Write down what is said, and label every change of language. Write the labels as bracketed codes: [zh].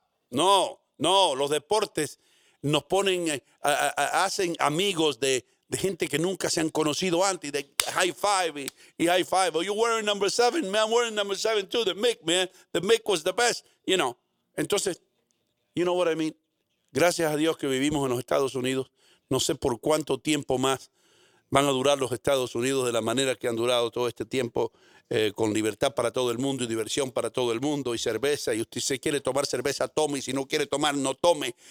[es] No. No, los deportes nos ponen, hacen amigos de gente que nunca se han conocido antes, de high five y high five. [en] Oh, you're wearing number 7, man, I'm wearing number 7 too, the Mick, man. The Mick was the best, you know. Entonces, you know what I mean? [es] Gracias a Dios que vivimos en los Estados Unidos. No sé por cuánto tiempo más van a durar los Estados Unidos de la manera que han durado todo este tiempo, con libertad para todo el mundo y diversión para todo el mundo y cerveza. Y usted, si quiere tomar cerveza, tome. Y si no quiere tomar, no tome.